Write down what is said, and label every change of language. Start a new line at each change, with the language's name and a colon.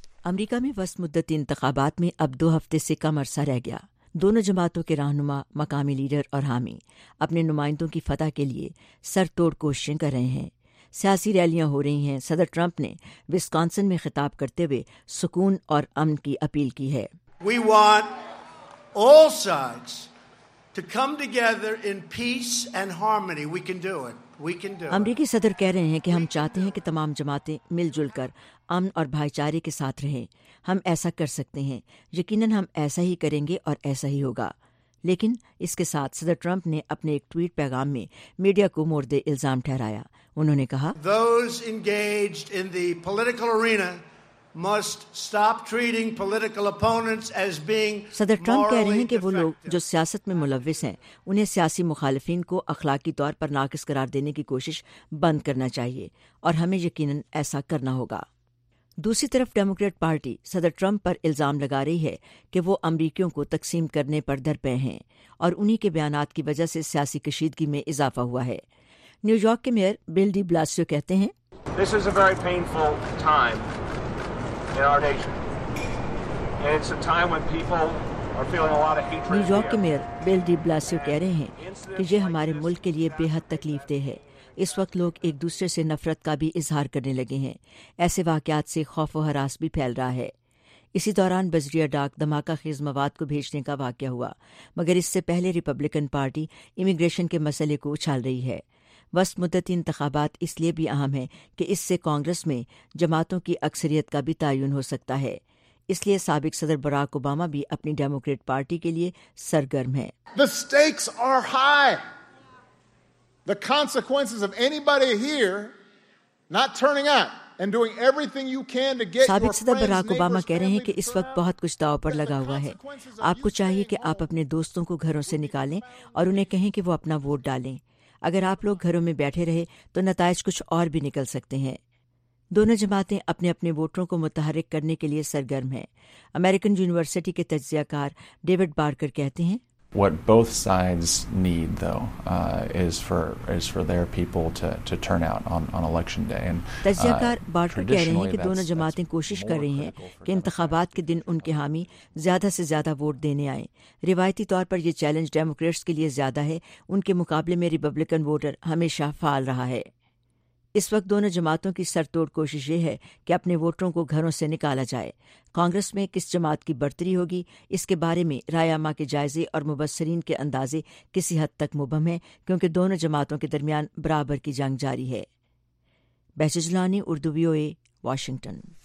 Urdu: امریکہ میں وسط مدتی انتخابات میں اب دو ہفتے سے کم عرصہ رہ گیا۔ دونوں جماعتوں کے رہنما، مقامی لیڈر اور حامی اپنے نمائندوں کی فتح کے لیے سر توڑ کوششیں کر رہے ہیں۔ سیاسی ریلیاں ہو رہی ہیں۔ صدر ٹرمپ نے وسکانسن میں خطاب کرتے ہوئے سکون اور امن کی اپیل کی ہے۔
English: We want all sides to come together in peace and harmony. We can do it.
Urdu: امریکی صدر کہہ رہے ہیں کہ ہم چاہتے ہیں کہ تمام جماعتیں مل جل کر امن اور بھائی چارے کے ساتھ رہیں۔ ہم ایسا کر سکتے ہیں، یقیناً ہم ایسا ہی کریں گے اور ایسا ہی ہوگا۔ لیکن اس کے ساتھ صدر ٹرمپ نے اپنے ایک ٹویٹ پیغام میں میڈیا کو مورد الزام ٹھہرایا۔ انہوں نے کہا،
English: Those engaged in the political arena must stop treating political opponents as being morally defective.
Urdu: صدر ٹرمپ کہہ رہے ہیں کہ وہ لوگ جو سیاست میں ملوث ہیں انہیں سیاسی مخالفین کو اخلاقی طور پر ناقص قرار دینے کی کوشش بند کرنا چاہیے اور ہمیں یقیناً ایسا کرنا ہوگا۔ دوسری طرف ڈیموکریٹ پارٹی صدر ٹرمپ پر الزام لگا رہی ہے کہ وہ امریکیوں کو تقسیم کرنے پر درپے ہیں اور انہی کے بیانات کی وجہ سے سیاسی کشیدگی میں اضافہ ہوا ہے۔ نیو یارک کے میئر بل ڈی بلاسیو کہتے ہیں،
English: This is a very painful time in our nation. And it's a time when people are feeling a lot of hatred.
Urdu: New York کے میئر بل ڈی بلاسیو کہہ رہے ہیں کہ یہ ہمارے ملک کے لیے بے حد تکلیف دہ ہے۔ اس وقت لوگ ایک دوسرے سے نفرت کا بھی اظہار کرنے لگے ہیں۔ ایسے واقعات سے خوف و ہراس بھی پھیل رہا ہے۔ اسی دوران بزریہ ڈاک دھماکہ خیز مواد کو بھیجنے کا واقعہ ہوا، مگر اس سے پہلے ریپبلکن پارٹی امیگریشن کے مسئلے کو اچھال رہی ہے۔ وسط مدتی انتخابات اس لیے بھی اہم ہیں کہ اس سے کانگریس میں جماعتوں کی اکثریت کا بھی تعین ہو سکتا ہے۔ اس لیے سابق صدر براک اوباما بھی اپنی ڈیموکریٹ پارٹی کے لیے سرگرم ہیں۔
English: The stakes are high. The consequences of anybody here not turning up and doing everything you can to get
Urdu: سابق صدر براک اوباما کہہ رہے ہیں کہ اس وقت بہت کچھ داؤ پر لگا ہوا ہے۔ آپ کو چاہیے کہ آپ اپنے دوستوں کو گھروں سے نکالیں اور انہیں کہیں کہ وہ اپنا ووٹ ڈالیں۔ اگر آپ لوگ گھروں میں بیٹھے رہے تو نتائج کچھ اور بھی نکل سکتے ہیں۔ دونوں جماعتیں اپنے اپنے ووٹروں کو متحرک کرنے کے لیے سرگرم ہیں۔ امریکن یونیورسٹی کے تجزیہ کار ڈیوڈ بارکر کہتے ہیں،
English: What both sides need, though, is for their people to turn out on election day.
Urdu: تجزیہ کار بارکر کہہ رہے ہیں کہ دونوں جماعتیں کوشش کر رہی ہیں کہ انتخابات کے دن ان کے حامی زیادہ سے زیادہ ووٹ دینے آئیں۔ روایتی طور پر یہ چیلنج ڈیموکریٹس کے لیے زیادہ ہے، ان کے مقابلے میں ریپبلکن ووٹر ہمیشہ فعال رہا ہے۔ اس وقت دونوں جماعتوں کی سر توڑ کوشش یہ ہے کہ اپنے ووٹروں کو گھروں سے نکالا جائے۔ کانگریس میں کس جماعت کی برتری ہوگی اس کے بارے میں رائے عامہ کے جائزے اور مبصرین کے اندازے کسی حد تک مبہم ہیں، کیونکہ دونوں جماعتوں کے درمیان برابر کی جنگ جاری ہے۔ بہجت جلانی، اردو وی او اے، واشنگٹن۔